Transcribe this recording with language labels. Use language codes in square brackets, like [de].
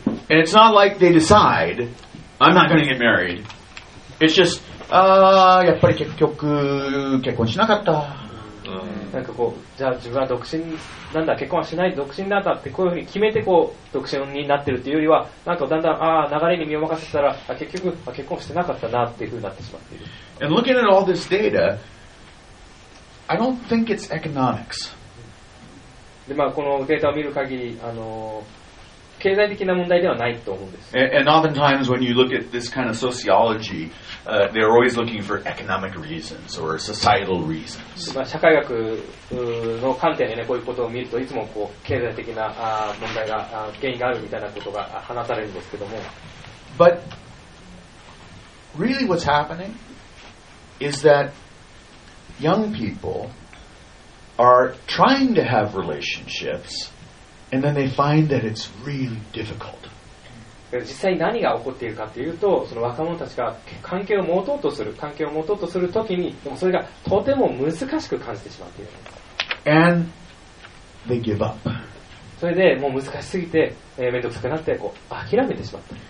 [en] And it's not like they decide, I'm not going to get married. It's just, [ja] やっぱり結局結婚しなかった。なんかこう、じゃあ自分は独身なんだ、結婚はしない、独身なんだってこういうふうに決めてこう独身になってるっていうよりは、なんかだんだんああ流れに身を任せたら、結局結婚してなかったなっていうふうになってしまっている。 [en] And looking at all this data, I don't think it's economics. [ja] で、まあ、このデータを見る限り、経済的な問題ではないと思うんです。 [en] And oftentimes when you look at this kind of sociology, they're always looking for economic reasons or societal reasons. [ja] まあ、社会学の観点でね、こういうことを見ると、いつもこう経済的な問題が、原因があるみたいなことが話されるんですけども。 [en] But really what's happening? Is that young people are trying to have relationships and then they find that it's really difficult. [ja] 実際何が起こっているかというと、その若者たちが関係を持とうとする、関係を持とうとするときに、でもそれがとても難しく感じてしまっている。 [en] And they give up. [ja] それでもう難しすぎて、めんどくさくなってこう諦めてしまった。